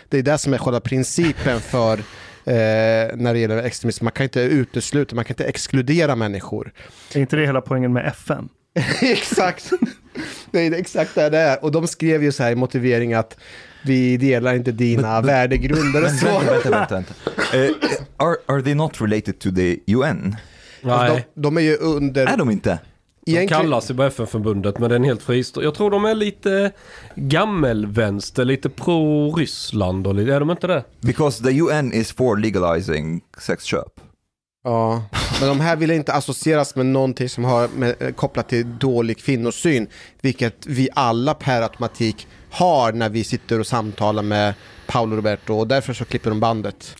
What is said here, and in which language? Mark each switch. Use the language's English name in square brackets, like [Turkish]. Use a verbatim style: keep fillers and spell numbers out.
[Swedish] Det är det som är själva principen för eh, när det gäller extremism. Man kan inte utesluta, man kan inte exkludera människor. Är inte det hela poängen med F N? Exakt. Nej, det är exakt det det är. Och de skrev ju så här i motivering att vi delar inte dina but, värdegrunder och så. Vänta, vänta, vänta. vänta. [English] Uh, are, are they not related to the U N? [Swedish] Alltså, de, de är ju under... Är de inte? De kallas ju bara F N-förbundet, men den är helt fristående. Jag tror de är lite gammelvänster, lite pro-Ryssland. Och lite, är de inte det? [English] Because the U N is for legalizing sexköp. [Swedish] Ja, men de här vill inte associeras med någonting som har med, kopplat till dålig kvinnosyn, vilket vi alla per automatik har när vi sitter och samtalar med Paolo Roberto, och därför så klipper de bandet.